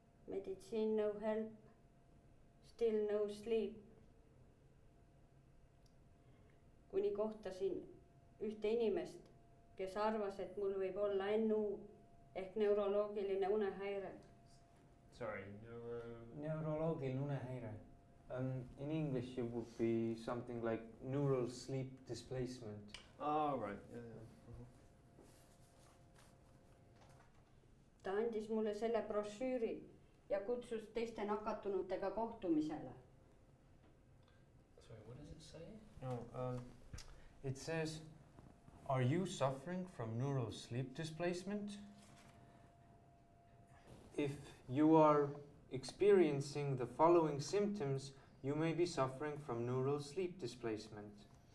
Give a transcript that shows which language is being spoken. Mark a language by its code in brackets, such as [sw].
[en] Meditsiin, no help. Still no sleep. [et] Kuni kohtasin ühte inimest, kes arvas, et mul võib olla NU, ehk neuroloogiline unehäire. [en] Sorry, [et] neuroloogiline unehäire. [en] In English, it would be something like neural sleep displacement. Oh, right. Yeah, yeah. [et] Ta andis mulle selle brošüüri ja kutsus teiste nakatunutega kohtumisele. [en] Sorry, what does it say? No, it says, are you suffering from neural sleep displacement? If you are experiencing the following symptoms, you may be suffering from neural sleep displacement.